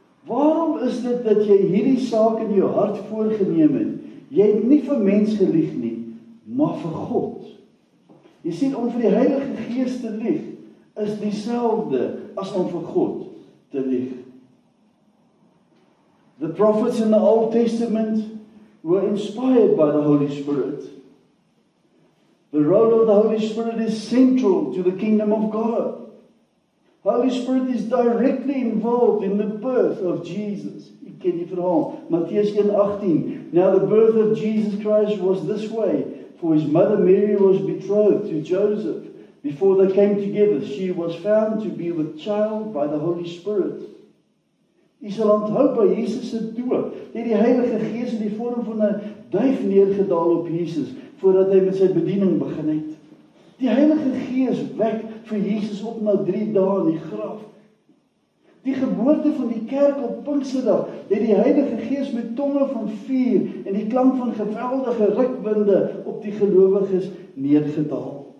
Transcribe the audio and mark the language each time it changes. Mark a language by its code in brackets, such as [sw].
[af] Waarom is dit dat jy hierdie saak in jou hart voorgeneem het? Jy het nie vir mens gelieg nie, maar vir God. Jy sien, om vir die Heilige Gees te lieg is dieselfde as om vir God te lief. [en] The prophets in the Old Testament were inspired by the Holy Spirit. The role of the Holy Spirit is central to the kingdom of God. Holy Spirit is directly involved in the birth of Jesus. [af] Ek ken die verhaal. [en] Matteus 1:18. Now the birth of Jesus Christ was this way, for his mother Mary was betrothed to Joseph. Before they came together, she was found to be with child by the Holy Spirit. [af] Jy sal onthou by Jesus se doop, het die Heilige Gees in die vorm van 'n duif neergedaal op Jesus, voordat hy met sy bediening begin het. Die Heilige Gees wek vir Jesus op na 3 dae in die graf. Die geboorte van die kerk op Pinksterdag, het die Heilige Gees met tonge van vuur en die klank van geweldige rukwinde op die gelowiges neergedaal.